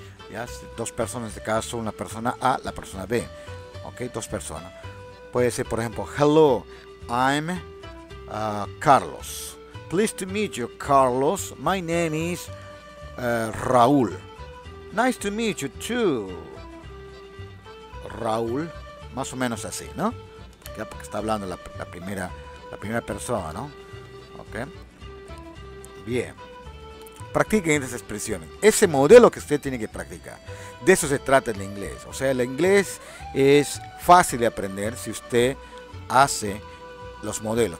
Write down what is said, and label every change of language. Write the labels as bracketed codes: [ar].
[es] Ya, dos personas, en este caso, una persona A, la persona B, ¿ok? Dos personas. Puede ser, por ejemplo, [en] hello, I'm Carlos. Pleased to meet you, Carlos. My name is Raúl. Nice to meet you too, Raúl. [es] Más o menos así, ¿no? Ya, porque está hablando la primera persona, ¿no? Ok. Bien. Practiquen esas expresiones. Ese modelo que usted tiene que practicar. De eso se trata el inglés. O sea, el inglés es fácil de aprender si usted hace los modelos.